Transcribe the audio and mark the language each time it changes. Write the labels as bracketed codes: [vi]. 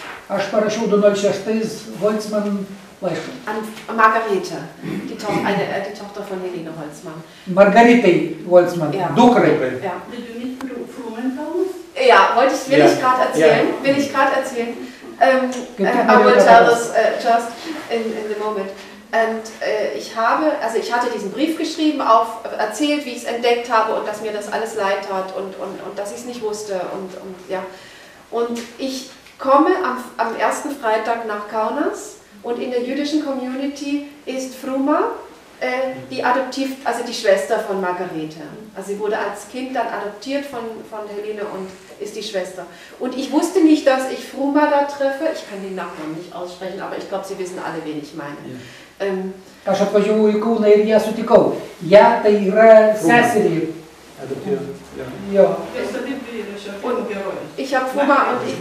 [lt] Aš parašiau 2006 Holzmann laišką. [de] An Margarete, die Tochter von Helene Holzmann. [lt] Margarete Holzmann, Dukrai. [de] Ja. Ja, will ich gerade erzählen. [en] I will tell this just in the moment. [de] Und ich hatte diesen Brief geschrieben, auch erzählt, wie ich es entdeckt habe und dass mir das alles leid tat und dass ich es nicht wusste. Ja. Und ich komme am ersten Freitag nach Kaunas und in der jüdischen Community ist Fruma die Schwester von Margarete. Also sie wurde als Kind dann adoptiert von Helene und ist die Schwester. Und ich wusste nicht, dass ich Fruma da treffe. Ich kann den Nachnamen nicht aussprechen, aber ich glaube, Sie wissen alle, wen ich meine. Ja. [lt] Aš atvažiavau į Kauną ir ją sutikau. Ja, tai yra seserį. [de] Adoptiert. Ja. Und ich habe Fruma und ich...